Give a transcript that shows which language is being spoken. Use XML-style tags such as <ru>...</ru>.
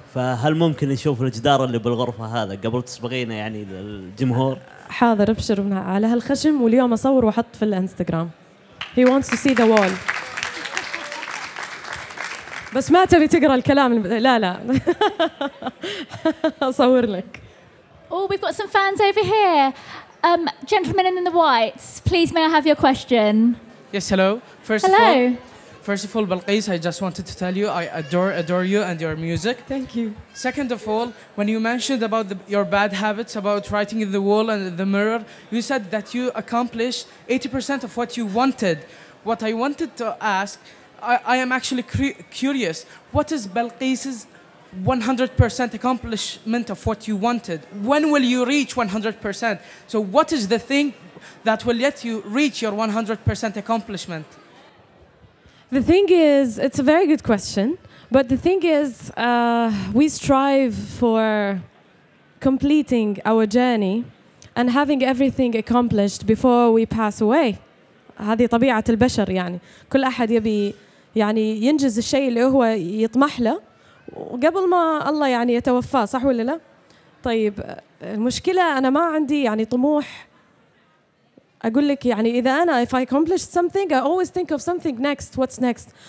<ar>فهل ممكن نشوف الجدار اللي بالغرفة هذا قبل تسبقينا يعني الجمهور؟ حاضر أبشر منها على هالخشم واليوم أصور وأحط في الإنستغرام.</ar> <en>He wants to see the wall.</en> <ar>بس ما تبي تقرأ الكلام لا لا أصور لك.</ar> <en>Oh, we've got some fans over here. Gentlemen in the whites, please may I have your question? Yes, hello. First of all, Balqiz, I just wanted to tell you I adore you and your music. Thank you. Second of all, when you mentioned about your bad habits, about writing in the wall and the mirror, you said that you accomplished 80% of what you wanted. What I wanted to ask, I am actually curious, what is Balqiz's 100% accomplishment of what you wanted? When will you reach 100%? So what is the thing that will let you reach your 100% accomplishment? The thing is, it's a very good question, but the thing is, we strive for completing our journey and having everything accomplished before we pass away.</en> <ar>هذه طبيعة البشر يعني. كل أحد يبي يعني ينجز الشيء اللي هو يطمح له قبل ما الله يعني يتوفى صح ولا لا؟ طيب المشكلة أنا ما عندي يعني طموح أقول لك يعني إذا أنا</ar> <en>if I accomplished something I always think of something next, what's next.</en>